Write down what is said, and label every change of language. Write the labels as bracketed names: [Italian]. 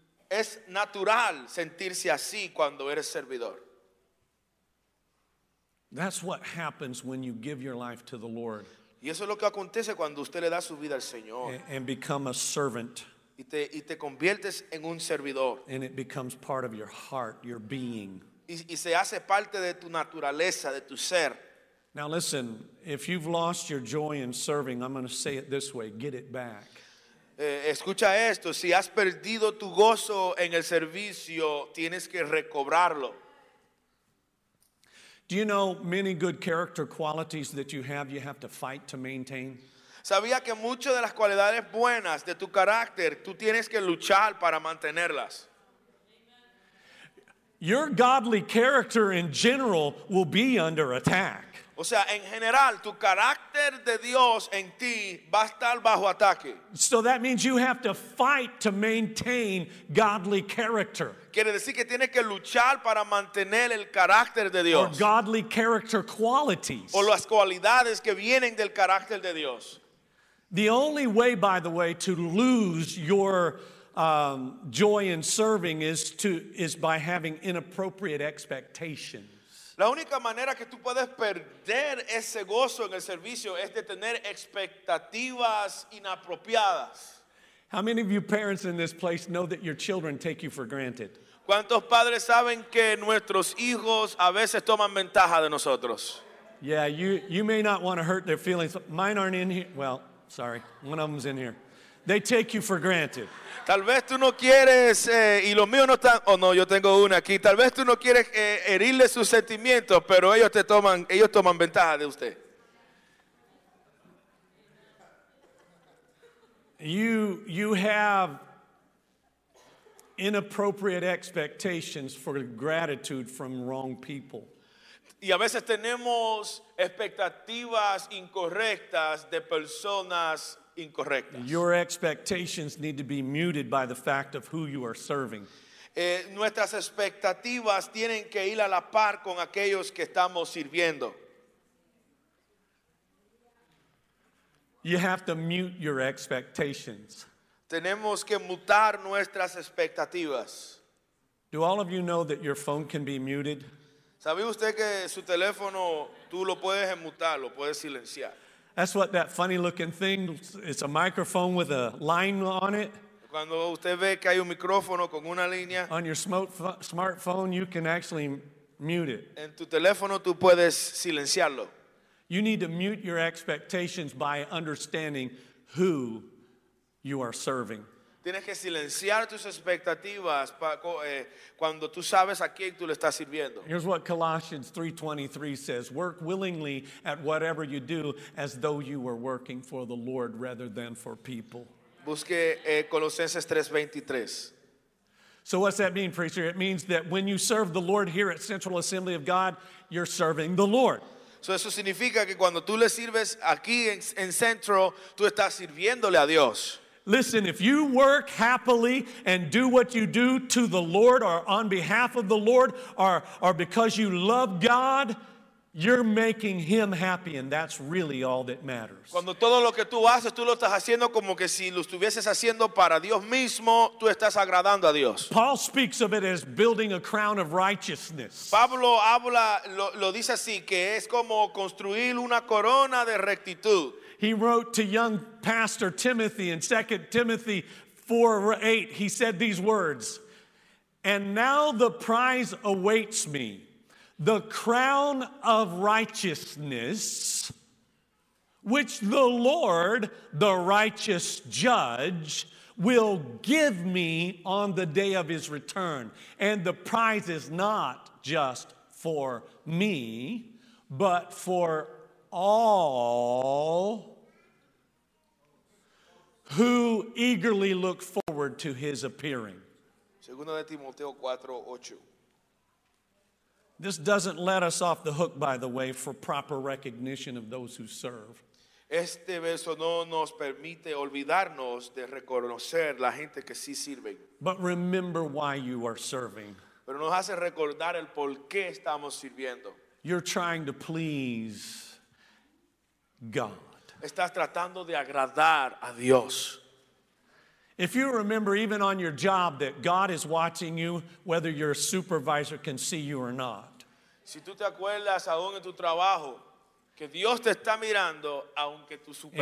[Spanish] Es natural sentirse así cuando eres servidor. [English] That's what happens when you give your life to the Lord. [Spanish] Y eso es lo que acontece cuando usted le da su vida al Señor. [English] And become a servant. [Spanish] Y te conviertes en un servidor. [English] And it becomes part of your heart, your being. [Spanish] Y se hace parte de tu naturaleza, de tu ser. [English] Now listen, if you've lost your joy in serving, I'm going to say it this way, get it back. [Spanish] Escucha esto, si has perdido tu gozo en el servicio, tienes que recobrarlo. [English] Do you know many good character qualities that you have to fight to maintain? [Spanish] Sabía que muchas de las cualidades buenas de tu carácter, tú tienes que luchar para mantenerlas. [English] Your godly character in general will be under attack. [Spanish] O sea, en general, tu carácter de Dios en ti va a estar bajo ataque. [English] So that means you have to fight to maintain godly character. [Spanish] Quiere decir que tienes que luchar para mantener el carácter de Dios. [English] Or godly character qualities. [Spanish] O las cualidades que vienen del carácter de Dios. [English] The only way, by the way, to lose your joy in serving is by having inappropriate expectations. [Spanish] La única manera que tú puedes perder ese gozo en el servicio es de tener expectativas inapropiadas. [English] How many of you parents in this place know that your children take you for granted? [Spanish] ¿Cuántos padres saben que nuestros hijos a veces toman ventaja de nosotros? [English] Yeah, you may not want to hurt their feelings. Mine aren't in here. Well, sorry, one of them's in here. They take you for granted. [Spanish] Tal vez tú no quieres, y los míos no están, no, yo tengo una aquí. Tal vez tú no quieres herirle sus sentimientos, pero ellos toman ventaja de usted. [English] You have inappropriate expectations for gratitude from wrong people. [Spanish] Y a veces tenemos expectativas incorrectas de personas incorrectas. [English] Your expectations need to be muted by the fact of who you are serving. [Spanish] Nuestras expectativas tienen que ir a la par con aquellos que estamos sirviendo. [English] You have to mute your expectations. [Spanish] Tenemos que mutar nuestras expectativas. [English] Do all of you know that your phone can be muted? [Spanish] ¿Sabía usted que su teléfono tú lo puedes enmutar, lo puedes silenciar? [English] That's what that funny looking thing, it's a microphone with a line on it. [Spanish] Cuando usted ve que hay un micrófono con una línea. [English] On your smartphone, you can actually mute it. [Spanish] En tu teléfono tú puedes silenciarlo. [English] You need to mute your expectations by understanding who you are serving. [Spanish] Tienes que silenciar tus expectativas cuando tú sabes a quién tú le estás sirviendo. [English] Here's what Colossians 3:23 says. Work willingly at whatever you do as though you were working for the Lord rather than for people. [Spanish] Busque Colosenses 3:23. [English] So what's that mean, preacher? It means that when you serve the Lord here at Central Assembly of God, you're serving the Lord. [Spanish] So eso significa que cuando tú le sirves aquí en Central, tú estás sirviéndole a Dios. [English] Listen, if you work happily and do what you do to the Lord or on behalf of the Lord or because you love God, you're making Him happy, and that's really all that matters. [Spanish] Cuando todo lo que tú haces, tú lo estás haciendo como que si lo estuvieses haciendo para Dios mismo, tú estás agradando a Dios. [English] Paul speaks of it as building a crown of righteousness. [Spanish] Pablo habla, lo dice así, que es como construir una corona de rectitud. [English] He wrote to young pastor Timothy in 2 Timothy 4:8. He said these words, "And now the prize awaits me, the crown of righteousness, which the Lord, the righteous judge, will give me on the day of his return. And the prize is not just for me, but for all who eagerly look forward to his appearing." [Spanish] Segundo de Timoteo 4:8. [English] This doesn't let us off the hook, by the way, for proper recognition of those who serve. [Spanish] Este verso no nos permite olvidarnos de reconocer la gente que sí sirve. [English] But remember why you are serving. [Spanish] Pero nos hace recordar el por qué estamos sirviendo. [English] You're trying to please God. [Spanish] Estás tratando de agradar a Dios. [English] If you remember even on your job that God is watching you whether your supervisor can see you or not. [Spanish] Si tú te acuerdas aún en tu trabajo que Dios te está mirando aunque tu supervisor no.